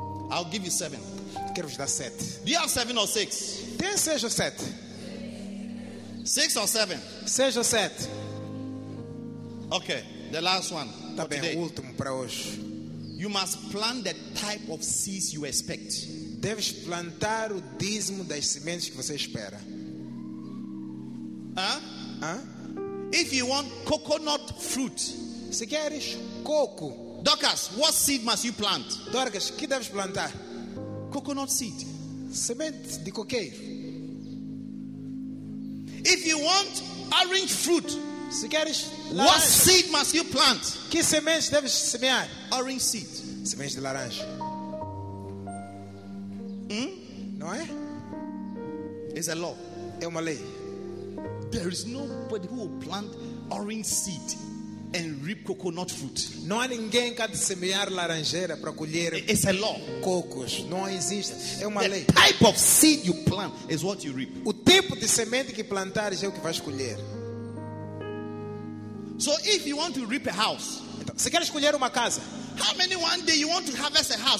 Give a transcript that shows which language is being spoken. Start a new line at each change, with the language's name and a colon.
English: I'll give you seven.
Portuguese: Quero vos dar sete.
English: Do you have seven or six?
Portuguese: Tem seis ou sete?
English: Six or seven?
Portuguese: Seis ou sete?
English: Okay, the last one.
Portuguese: Tá bem,
English: today.
Portuguese: O último para hoje.
English: You must plant the type of seeds you expect.
Portuguese: Deves plantar o dízimo das sementes que você espera.
English: If you want coconut fruit,
Portuguese: se queres coco.
English: Dorcas, what seed must you plant?
Portuguese: Dorcas, que deves plantar?
English: Coconut seed.
Portuguese: Semente de coqueiro.
English: If you want orange fruit,
Portuguese: se queres laranja,
English: what seed must you plant?
Portuguese: Que semente deves semear?
English: Orange seed.
Portuguese: Semente de laranja. Hmm? Não é?
English: It's a law.
Portuguese: É uma lei.
English: There is nobody who will plant orange seed and reap coconut fruit.
Portuguese: Não há ninguém que há de semear laranjeira para colher.
English: It's a law.
Portuguese: Cocos. Não existe. É uma
English: the
Portuguese: lei.
English: Type of seed you plant is what you reap.
Portuguese: O tipo de semente que plantares é o que vais colher.
English: So if you want to reap a house,
Portuguese: então, se queres colher uma casa,
English: how many one day you want to harvest a house?